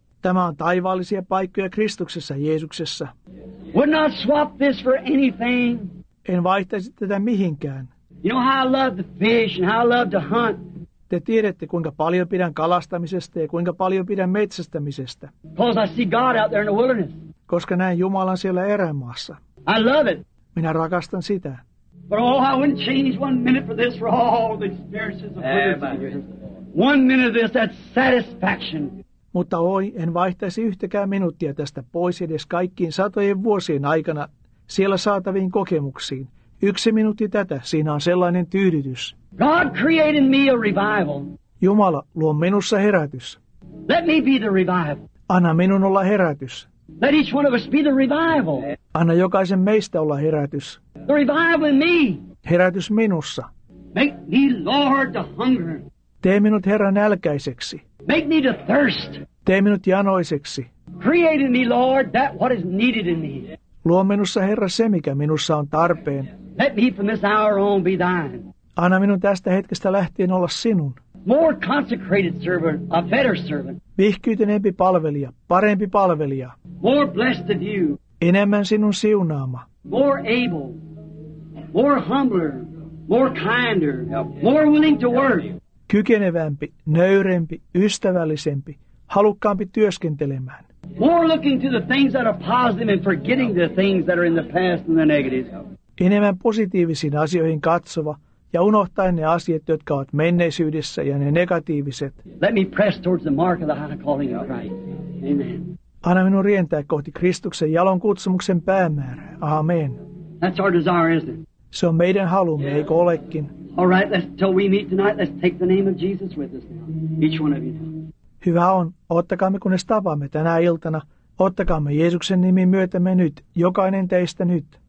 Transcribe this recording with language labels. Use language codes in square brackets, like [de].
[fi] Tämä on taivaallisia paikkoja Kristuksessa Jeesuksessa. [en] Would not swap this for anything. [fi] En vaihtaisi tätä mihinkään. [en] You know how I love the fish and how I love to hunt. [fi] Te tiedätte, kuinka paljon pidän kalastamisesta ja kuinka paljon pidän metsästämisestä. [en] Because I see God out there in the wilderness. [fi] Koska näen Jumalan siellä erämaassa. [en] I love it. [fi] Minä rakastan sitä. [en] But oh, I wouldn't change one minute for this for all the experiences of liberty. One minute of this, that's satisfaction. [fi] Mutta oi, en vaihtaisi yhtäkään minuuttia tästä pois edes kaikkiin satojen vuosien aikana siellä saataviin kokemuksiin. Yksi minuutti tätä, siinä on sellainen tyydytys. [en] God created me a revival. [fi] Jumala, luo minussa herätys. [en] Let me be the revival. [fi] Anna minun olla herätys. [en] Let each one of us be the revival. [fi] Anna jokaisen meistä olla herätys. [en] The revival in me. [fi] Herätys minussa. [en] Make me, Lord, to hunger. [fi] Tee minut Herra nälkäiseksi. [en] Make me to thirst. [fi] Tee minut janoiseksi. [en] Create in me, Lord, that what is needed in me. [fi] Luo minussa Herra se, mikä minussa on tarpeen. [en] Let me from this hour on be thine. [fi] Anna minun tästä hetkestä lähtien olla sinun. [en] More consecrated servant, a better servant. [fi] Vihkyytyneempi palvelija, parempi palvelija. [en] More blessed than you. [fi] Enemmän sinun siunaama. [en] More able, more humbler, more kinder, more willing to work. [fi] Kykenevämpi, nöyrempi, ystävällisempi, halukkaampi työskentelemään. [en] More looking to the things that are positive and forgetting the things that are in the past and the negatives. [fi] Enemmän positiivisiin asioihin katsova ja unohtaen ne asiat, jotka ovat menneisyydessä ja ne negatiiviset. [en] Let me press towards the mark of the high calling of Christ. Amen. [fi] Anna minun rientää kohti Kristuksen jalon kutsumuksen päämäärää. Amen. [en] That's our desire, isn't it? [fi] Se on meidän halumme, yeah. Eikö olekin? All right, let's, till we meet tonight, let's take the name of Jesus with us now, each one of you. Hyvä on, ottakaamme kunnes tapaamme tänä iltana, ottakaamme Jeesuksen nimi myötämme nyt, jokainen teistä nyt.